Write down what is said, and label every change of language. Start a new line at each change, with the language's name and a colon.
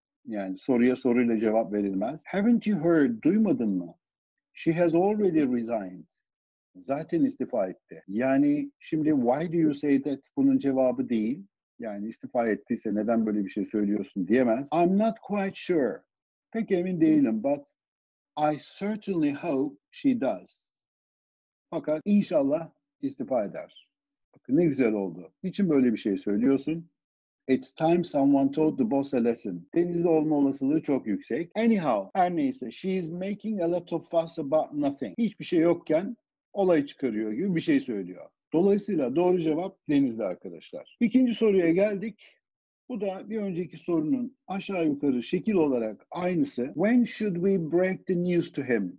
Turkish: Yani soruya soruyla cevap verilmez.
English: Haven't you heard?
Turkish: Duymadın mı?
English: She has already resigned.
Turkish: Zaten istifa etti. Yani şimdi
English: why do you say that
Turkish: bunun cevabı değil. Yani istifa ettiyse neden böyle bir şey söylüyorsun diyemez.
English: I'm not quite sure.
Turkish: Pek emin değilim
English: but I certainly hope she does.
Turkish: Fakat inşallah istifa eder. Bakın ne güzel oldu. Niçin böyle bir şey söylüyorsun?
English: It's time someone told the boss a lesson.
Turkish: Denizli olma olasılığı çok yüksek.
English: Anyhow,
Turkish: her neyse
English: she is making a lot of fuss about nothing.
Turkish: Hiçbir şey yokken olay çıkarıyor gibi bir şey söylüyor. Dolayısıyla doğru cevap Deniz'de arkadaşlar. İkinci soruya geldik. Bu da bir önceki sorunun aşağı yukarı şekil olarak aynısı.
English: When should we break the news to him?